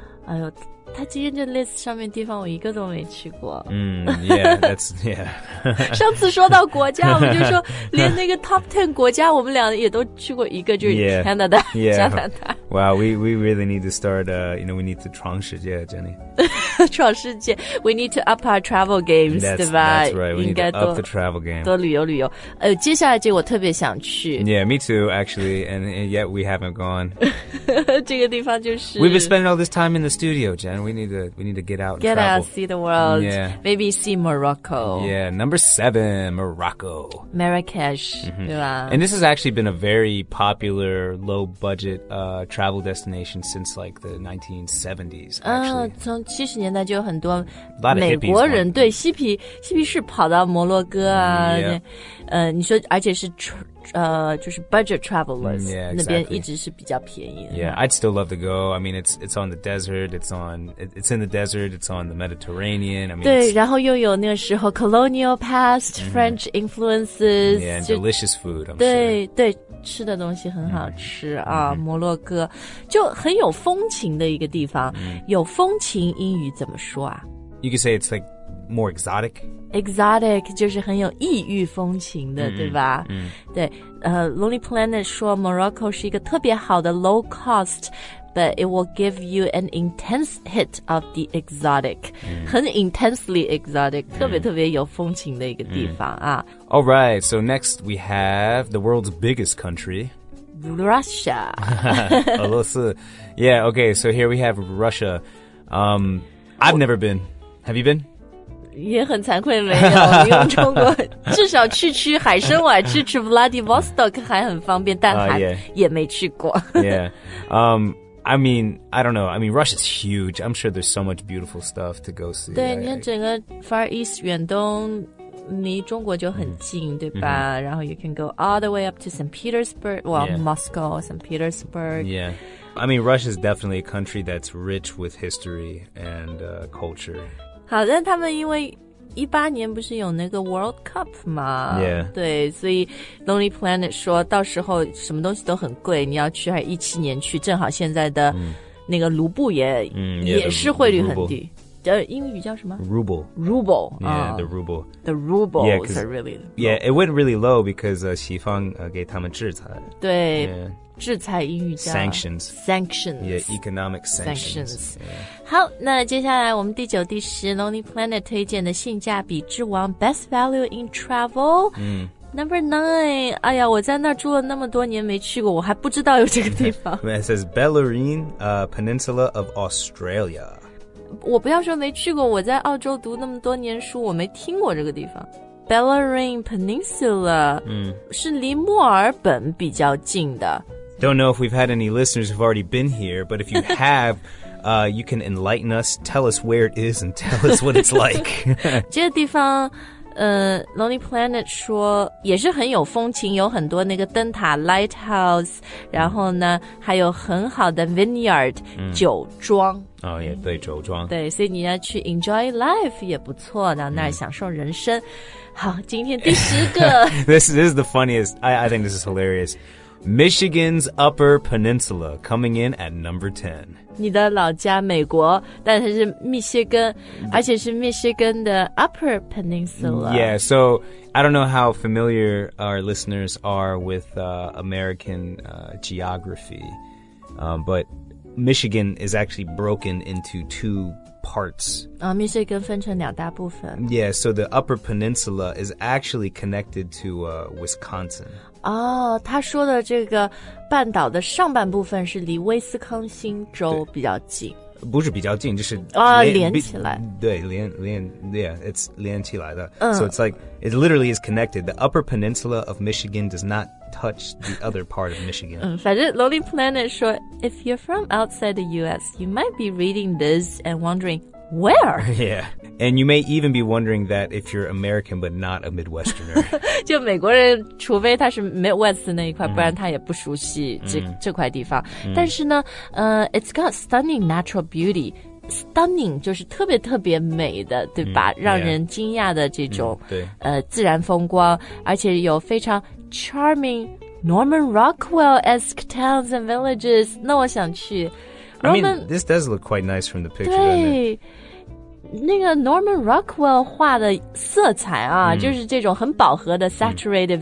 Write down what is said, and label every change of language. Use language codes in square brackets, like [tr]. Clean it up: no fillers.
[zh] 哎呦他今天这 list 上面地方我一个都没去过 [en] yeah that's yeah [zh] 上次说到国家我们就说连那个 top 10国家我们俩也都去过一个就是 Canada 加拿大 [en] wow we really need to start you know we need to [zh] 闯世界 [en] Jenny [zh] 闯世界 [en] we need to up our travel games that's, [zh] 对吧 [en] that's right we need to up the travel game [zh] 多旅游旅游接下来这个我特别想去 [en] yeah me too actually and yet we haven't gone [zh] 这个地方就是 [en] we've been spending all this time in the studio Jen we need to get out get and out see the world yeah maybe see Morocco yeah number seven Morocco [zh] Marrakesh、mm-hmm. 对吧 [en] and this has actually been a very popular low budget travel destination since like the 1970s actually [zh] 从七十年代就有很多 [en] a lot of [zh] 美国人对嬉皮是跑到摩洛哥啊、你说而且是就是 budget travelers、 [en] yeah, exactly. [zh] 那边一直是比较便宜的 [en] yeah I'd still love to go I mean it's on the desert it's in the desert it's on the Mediterranean I mean, [zh] 对然后又有那个时候 colonial past、mm-hmm. [en] French influences yeah and delicious food I'm [zh] 对、 [en] sure. [zh] 对吃的东西很好吃、mm-hmm. 啊、mm-hmm. 摩洛哥就很有风情的一个地方、 mm-hmm. 有风情英语怎么说啊 [en] you can say it's like more exotic. [zh] Exotic 就是很有异域风情的、mm-hmm. 对吧、 mm-hmm. [en] 对、Lonely Planet 说 Morocco [zh] 是一个特别好的 [en] low cost, but it will give you an intense hit of the exotic、 mm-hmm. [zh] 很 [en] intensely exotic、 [zh] mm-hmm. 特别特别有风情的一个地方、mm-hmm. 啊。 [en] Alright, so next we have the world's biggest country Russia. 俄罗斯 Yeah, okay, so here we have Russia. I've never been. Have you been? [zh] 也很惭愧没有，用中国至少去海参崴，去 Vladivostok 还很方便，但还、 [en] yeah. [zh] 也没去过。 [en] Yeah. I mean, I don't know. I mean, Russia's huge. I'm sure there's so much beautiful stuff to go see. [zh] 对，你看整个 Far East, 远东离中国就很近、mm-hmm. [en] 对吧、mm-hmm. [zh] 然后 [en] you can go all the way up to St. Petersburg, well,、yeah. Moscow, St. Petersburg. Yeah. I mean, Russia is definitely a country that's rich with history and、culture. [zh] 好但他们因为18年不是有那个 World Cup 吗、 [en] yeah. [zh] 对所以 Lonely Planet 说到时候什么东西都很贵你要去还17年去正好现在的那个卢布也、 [en] mm-hmm. yeah, [zh] 也是汇率很低。英语叫什么 [en] Ruble Yeah,、the ruble The rubles yeah, are really low. Yeah, it went really low because [zh] 西方给他们制裁对、yeah. 制裁英语叫 [en] Sanctions Yeah, economic sanctions、 yeah. [zh] 好那接下来我们第九第十 Lonely Planet 推荐的性价比之王 [en] Best Value in Travel、 mm. [zh] Number 9哎呀我在那住了那么多年没去过我还不知道有这个地方 [en] It says Bellarine、Peninsula of Australia [zh] 我不要说没去过我在澳洲读那么多年书我没听过这个地方 Bellarine Peninsula、 mm. 是离墨尔本比较近的 [en] Don't know if we've had any listeners who've already been here but if you have 、you can enlighten us tell us where it is and tell us what it's like [zh] 这个地方Lonely Planet 说也是很有风情有很多那个灯塔 Lighthouse 然后呢还有很好的 Vineyard、mm. 酒庄哦、oh, yeah, 对酒庄对所以你要去 [en] enjoy life [zh] 也不错到那儿享受人生、mm. 好今天第十个 [en] this is the funniest I think this is hilarious Michigan's Upper Peninsula coming in at number 10 [zh] 你的老家美国但它是密歇根而且是密歇根的 Upper Peninsula [en] Yeah, so I don't know how familiar our listeners are with American geography but Michigan is actually broken into two parts [zh] 密歇根分成两大部分 [en] Yeah, so the Upper Peninsula is actually connected to Wisconsin [zh] 他说的这个半岛的上半部分是离威斯康星州比较近不是比较近就是连起来 [en] 对连 yeah, it's [zh] 连起来的、 [en] so it's like it literally is connected the upper peninsula of Michigan does not touch the other part of Michigan [zh] 反正 [en] Lonely Planet 说 if you're from outside the US you might be reading this and wondering where yeah and you may even be wondering that if you're American but not a Midwesterner [zh] 就美国人除非他是 Midwest 那一块、mm. 不然他也不熟悉 这,、mm. 这块地方、mm. 但是呢、 [en] it's got stunning natural beauty stunning [zh] 就是特别特别美的对吧、mm. 让人惊讶的这种、 [en] yeah. 对 [zh] 自然风光而且有非常 [en] charming Norman Rockwell-esque towns and villages [zh] 那我想去 [en] I mean, this does look quite nice from the picture, doesn't it? [zh] 那个 Norman Rockwell 画的色彩啊、mm. 就是这种很饱和的 saturated,、mm.